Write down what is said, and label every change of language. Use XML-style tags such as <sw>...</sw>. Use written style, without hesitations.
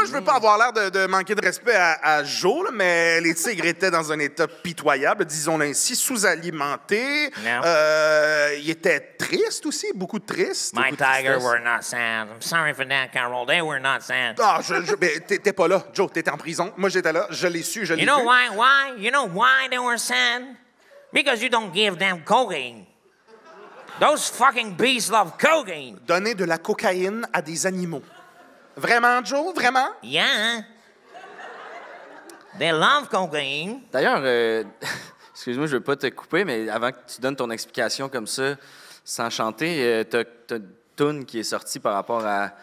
<fr>Là, je veux pas avoir l'air de manquer de respect à Joe, là, mais les tigres étaient dans un état pitoyable, disons-le ainsi, sous-alimentés. Non. Ils étaient tristes aussi, beaucoup tristes.</fr> <en>My tigers were not sad. I'm sorry for that, Carol. They were not sad.</en> <fr>Ah, mais t'étais pas là, Joe. T'étais en prison. Moi, j'étais là. Je l'ai su,</fr> <en>You know why? You know why they were sad? Because you don't give them cocaine. Those fucking beasts love cocaine.</en> <fr>Donner de la cocaïne à des animaux. Vraiment, Joe? Vraiment?</fr> <en>Yeah. They love cocaine.</en> <fr>D'ailleurs, excuse-moi, je veux pas te couper, mais avant que tu donnes ton explication comme ça, sans chanter, t'as une toune qui est sortie par rapport à...</fr>